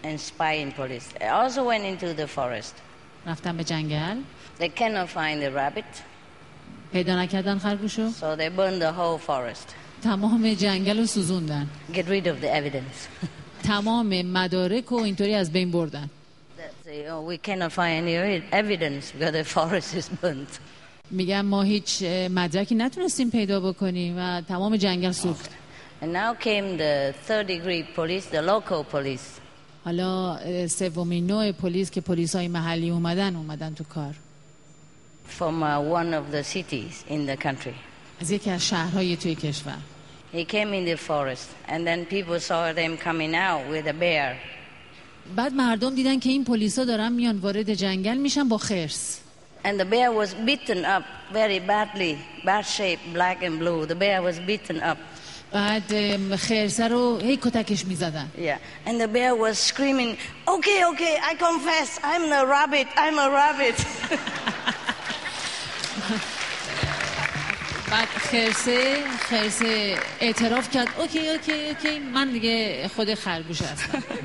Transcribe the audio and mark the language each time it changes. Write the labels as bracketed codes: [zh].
[en] and spying police. They also went into the forest. [fa] رفتن به جنگل. [en] They cannot find the rabbit. [fa] پیدا نکردن خرگوشو. [en] So they burned the whole forest. [fa] تمام جنگل رو سوزوندن. [en] Get rid of the evidence. [fa] تمام مدارک رو اینطوری از بین بردن. [en] We cannot find any evidence because the forest is burnt. [fa] میگن ما هیچ مدرکی نتونستیم پیدا بکنیم و تمام جنگل سوخت. [en] And now came the third degree police, the local police. [fa] حالا سومین نوع پلیس که پلیس‌های محلی اومدن تو کار. [en] From one of the cities in the country. [fa] از یکی از شهرهای توی کشور. [en] He came in the forest and then people saw them coming out with a bear. [fa] بعد مردم دیدن که این پلیس‌ها دارن میان وارد جنگل میشن با خرس. [en] And the bear was beaten up very badly, bad shape, black and blue. The bear was beaten up. [fa] بعد خرسه رو هی کتکش می‌زدن. [en] Yeah. And the bear was screaming, "Okay, okay, I confess. I'm a rabbit. I'm a rabbit." [fa] بعد خرسه اعتراف کرد، [en] "Okay, okay, okay. [fa] من دیگه خود خرگوش هستم."